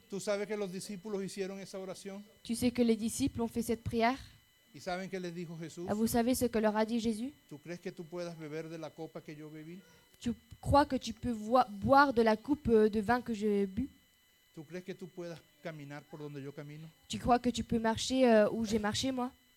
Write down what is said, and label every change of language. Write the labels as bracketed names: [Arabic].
[Spanish] Tu sabes que los discípulos hicieron esa oración. [French] Tu sais que les disciples ont fait cette prière. [Spanish] ¿Y saben qué les dijo Jesús? [French] Ah, vous savez ce que leur a dit Jésus? [Spanish] ¿Tú crees que tú puedas beber de la copa que yo bebí? [French] Tu crois que tu peux boire de la coupe de vin que j'ai bu? [Spanish] ¿Tú crees que tú puedas caminar por donde yo camino? [French] Tu crois que tu peux marcher où j'ai marché moi?